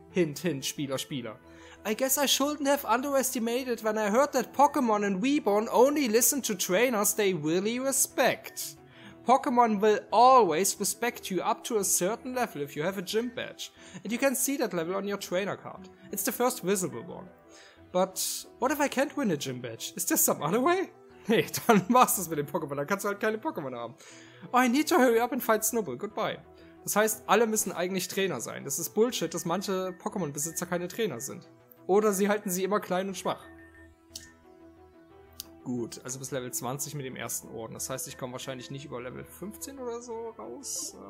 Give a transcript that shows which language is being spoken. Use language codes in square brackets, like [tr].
[en] Hint, hint, [de] Spieler, Spieler. [en] I guess I shouldn't have underestimated when I heard that Pokemon and Weeborn only listen to trainers they really respect. Pokemon will always respect you up to a certain level if you have a gym badge. And you can see that level on your trainer card. It's the first visible one. But what if I can't win a gym badge? Is there some other way? [de] Nee, dann machst du es mit dem Pokémon, dann kannst du halt keine Pokémon haben. [en] Oh, I need to hurry up and fight Snubble, goodbye. [de] Das heißt, alle müssen eigentlich Trainer sein. Das ist Bullshit, dass manche Pokémon-Besitzer keine Trainer sind. Oder sie halten sie immer klein und schwach. Gut, also bis Level 20 mit dem ersten Orden. Das heißt, ich komme wahrscheinlich nicht über Level 15 oder so raus.